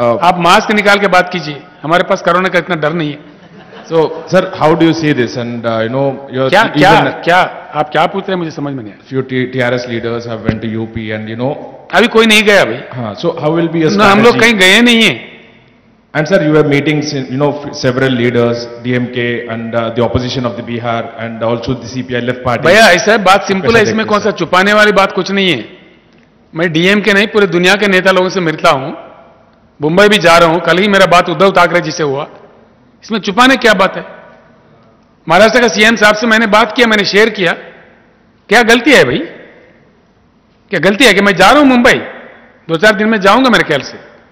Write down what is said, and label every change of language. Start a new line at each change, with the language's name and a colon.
Hindi: आप मास्क निकाल के बात कीजिए, हमारे पास कोरोना का इतना डर नहीं है।
English: so sir, how do you see this and you know
Hindi: your क्या क्या क्या आप क्या पूछ रहे हैं, मुझे समझ में नहीं।
English: few TRS leaders have went to UP and you know
Hindi: अभी कोई नहीं गया भाई।
English: हाँ, so how will be
Hindi: your, हम लोग कहीं गए नहीं है।
English: And sir, you have meetings, you know, several leaders, DMK and the opposition of the Bihar and also the CPI left party.
Hindi: भैया ऐसा है, बात सिंपल है, इसमें कौन सा छुपाने वाली बात कुछ नहीं है। मैं DMK नहीं, पूरे दुनिया के नेता लोगों से मिलता हूं, मुंबई भी जा रहा हूं, कल ही मेरा बात उद्धव ठाकरे जी से हुआ, इसमें छुपाने क्या बात है। महाराष्ट्र का सीएम साहब से मैंने बात किया, मैंने शेयर किया, क्या गलती है भाई, क्या गलती है कि मैं जा रहा हूं मुंबई, दो चार दिन में जाऊंगा मेरे ख्याल से।